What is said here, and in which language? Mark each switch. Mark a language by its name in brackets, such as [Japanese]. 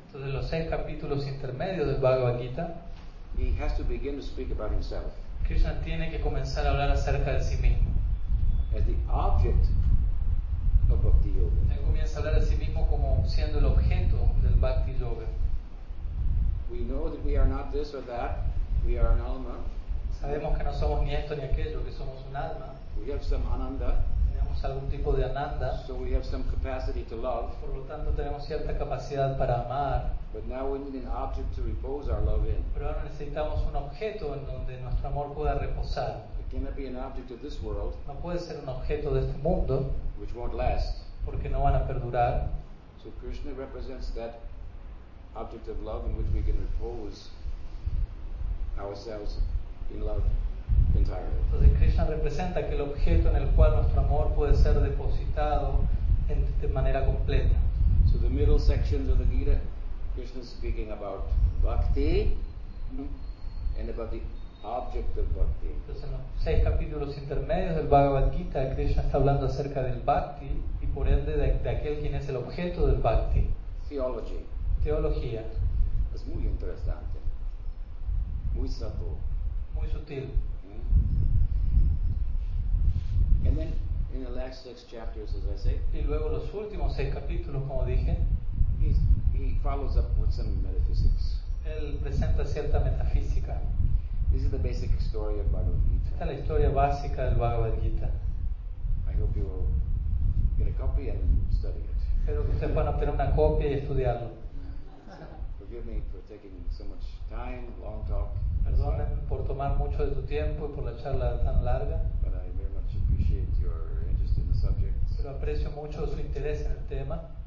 [Spanish] Entonces, los seis capítulos intermedios del Bhagavad Gita. [English] He has to begin to speak about himself. [Spanish] Krishna tiene que comenzar a hablar acerca de sí mismo. [English] As the object of Bhakti Yoga. [Spanish] Él comienza a hablar de sí mismo como siendo el objeto del Bhakti Yoga. [English] We know that we are not this or that. We are an alma. [Spanish] Sabemos que no somos ni esto ni aquello, que somos un alma. [English] We have some ananda. [Spanish] Algún tipo de ananda. [English] So we have some capacity to love. [Spanish] Por lo tanto, tenemos cierta capacidad para amar. [English] But now we need an object to repose our love in. [Spanish] Pero ahora necesitamos un objeto en donde nuestro amor pueda reposar. [English] It cannot be an object of this world. [Spanish] No puede ser un objeto de este mundo. [English] Which won't last. [Spanish] Porque no van a perdurar. [English] So Krishna represents that object of love in which we can repose ourselves in love. [Spanish] Entonces Krishna representa aquel objeto en el cual nuestro amor puede ser depositado en, de manera completa. [English] So the middle sections of the Gita, Krishna is speaking about bhakti, and about the object of bhakti. [Spanish] Entonces en los seis capítulos intermedios del Bhagavad Gita, Krishna está hablando acerca del bhakti y por ende de aquel quien es el objeto del bhakti. [English] Theology. [Spanish] Teología. Es muy interesante. Muy sutil. Muy sutil. [English] And then in the last six chapters, as I say, [Spanish] y luego los últimos seis capítulos, como dije, [English] he follows up with some metaphysics. [Spanish] Él presenta cierta metafísica. [English] This is the basic story of Bhagavad Gita. [Spanish] Esta es la historia básica del Bhagavad Gita. [English] I hope you will get a copy and study it. [Spanish] Espero que ustedes puedan obtener una copia y estudiarlo. [English] Forgive me for taking so much time, long talk. [Spanish] Perdónenme por tomar mucho de tu tiempo y por la charla tan larga. Pero aprecio mucho su interés en el tema.